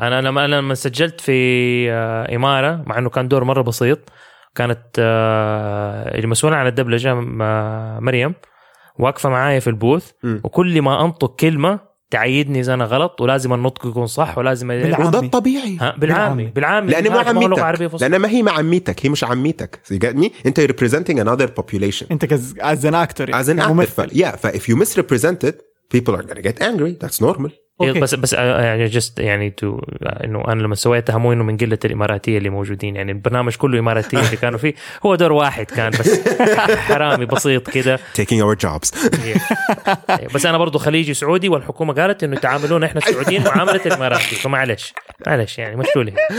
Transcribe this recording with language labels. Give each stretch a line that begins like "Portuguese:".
Arabic: أنا لما سجلت في إمارة، مع أنه كان دور مرة بسيط، كانت المسؤولة عن الدبلجة مريم واقفة معايا في البوث، وكل ما أنطق كلمة تعيدني إذا أنا غلط ولازم النطق يكون صح ولازم بالعامي. وده الطبيعي بالعامي لأن ما عميتك، لأن ما هي ما عميتك، هي مش عميتك. أنت
English: representing another population.
Arabic: أنت
English: as an actor as an actor. Yeah, but if you misrepresent it people are gonna get angry. That's normal. Okay.
Arabic: بس يعني just يعني to إنه أنا لما سويتها مو إنه من قلة الإماراتية اللي موجودين، يعني البرنامج كله إماراتية اللي كانوا فيه، هو دور واحد كان بس حرامي بسيط كده
English: taking our jobs.
Arabic: بس أنا برضو خليجي سعودي والحكومة قالت إنه تعاملونا إحنا سعوديين معاملة الإماراتي، فمعليش يعني مش لولي.